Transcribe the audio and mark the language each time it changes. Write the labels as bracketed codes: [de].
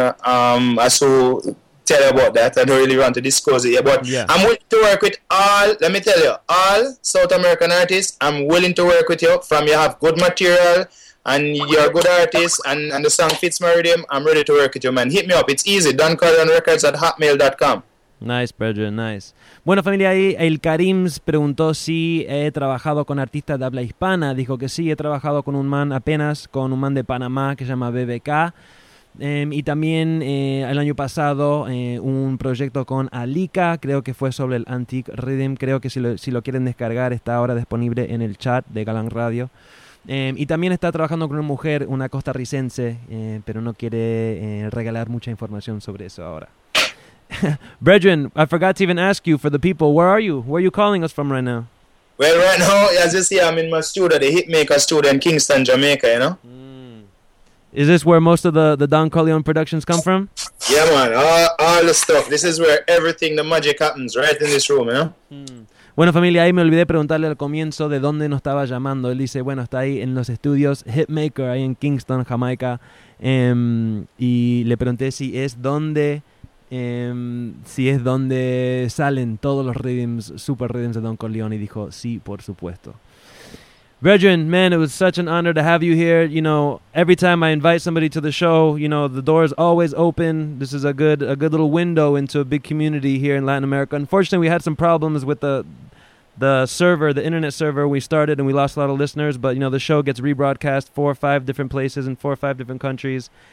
[en] I saw tell you about that. I don't really want to disclose it yet, but yeah. I'm willing to work with all, let me tell you, all South American artists. I'm willing to work with you. From you have good material and you're a good artist and the song fits my rhythm, I'm ready to work with you, man. Hit me up. It's easy. DonCarlonRecords@hotmail.com. Nice, Pedro, nice. [es] Bueno, familia, el Karims preguntó si he trabajado con artistas de habla hispana. Dijo que sí, he trabajado con un man apenas, con un man de Panamá que se llama BBK. Y también el año pasado un proyecto con Alika, creo que fue sobre el Antique Rhythm. Creo que si lo quieren descargar, está ahora disponible en el chat de Galán Radio. Y también está trabajando con una mujer, una costarricense, pero no quiere regalar mucha información sobre eso ahora. [en] Brethren, I forgot to even ask you for the people. Where are you? Where are you calling us from right now? Well, right now, as you see, I'm in my studio, the Hitmaker studio in Kingston, Jamaica, you know? Mm. Is this where most of the Don Corleone productions come from? Yeah, man. All the stuff. This is where everything, the magic happens, right in this room, you know? Mm. [es] Bueno, familia, ahí me olvidé preguntarle al comienzo de dónde nos estaba llamando. Él dice, bueno, está ahí en los estudios Hitmaker, ahí en Kingston, Jamaica. Y le pregunté si es dónde... si es donde salen todos los rhythms, super rhythms de Don Corleone, y dijo, sí, por supuesto. [en] Brethren, man, it was such an honor to have you here. You know, every time I invite somebody to the show, you know, the door is always open. This is a good little window into a big community here in Latin America. Unfortunately, we had some problems with the server, the internet server we started, and we lost a lot of listeners, but, you know, the show gets rebroadcast 4 or 5 different places in 4 or 5 different countries.